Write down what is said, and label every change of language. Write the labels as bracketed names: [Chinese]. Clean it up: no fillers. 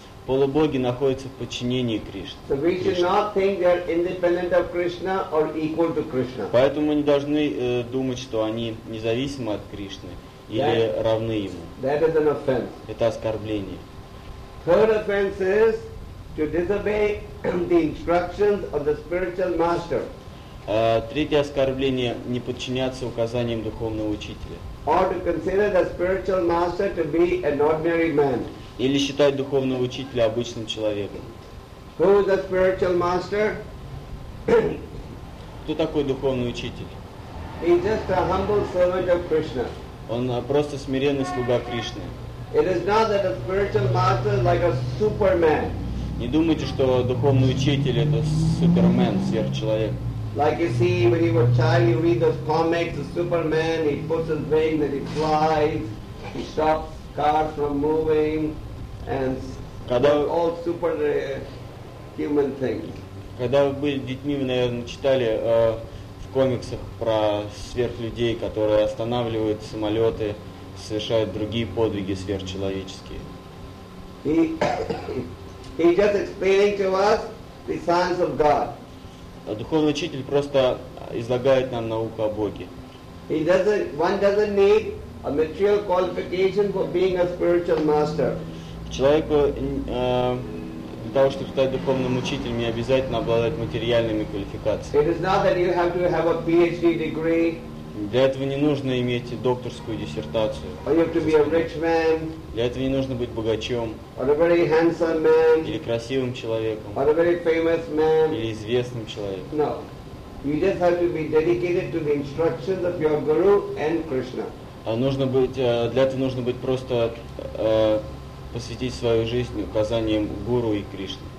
[Russian] Полубоги находятся в подчинении Кришне. [English] So we should not think they are independent of Krishna or equal to Krishna. [Russian] Поэтому мы не должны думать, что они независимы от Кришны или равны ему. [English] That is an offense. [Russian] Это оскорбление. [English] Third offense is to disobey the instructions of the spiritual master. [Russian] Третье оскорбление – не подчиняться указаниям духовного учителя. [English] Or to consider the spiritual master to be an ordinary man. [Russian] Или считать духовного учителя обычным человеком. [English] Who is the spiritual master? [Russian] Кто такой духовный учитель? [English] He's just a humble servant of Krishna. [Russian] Он просто смиренный слуга Кришны. [English] It is not that a spiritual master is like a superman. [Russian] Не думайте, что духовный учитель это супермен, сверхчеловек. [English] Like you see, when you were a child, you read those comics, the Superman, he puts his wings and he flies, he stops cars from moving, and all super human things. [Russian] Когда вы были детьми, вы, наверное, читали в комиксах про сверхлюдей, которые останавливают самолеты, совершают другие подвиги сверхчеловеческие. [English] He just explaining to us the science of God. [Russian] Духовный учитель просто излагает нам науку о Боге. [English] One doesn't need a material qualification for being a spiritual master. [Russian] Человеку для того, чтобы стать духовным учителем, не обязательно обладать материальными квалификациями. [English] It is not that you have to have a PhD degree. [Russian] Для этого не нужно иметь докторскую диссертацию. [English] Or you have to be a rich man. [Russian] Для этого не нужно быть богачом. [English] Or a very handsome man. [Russian] Или красивым человеком. [English] Or a very famous man. [Russian] Или известным человеком. [English] No, you just have to be dedicated to the instructions of your guru and Krishna. [Russian] Нужно быть, для этого нужно быть просто посвятить свою жизнь указаниям Гуру и Кришны.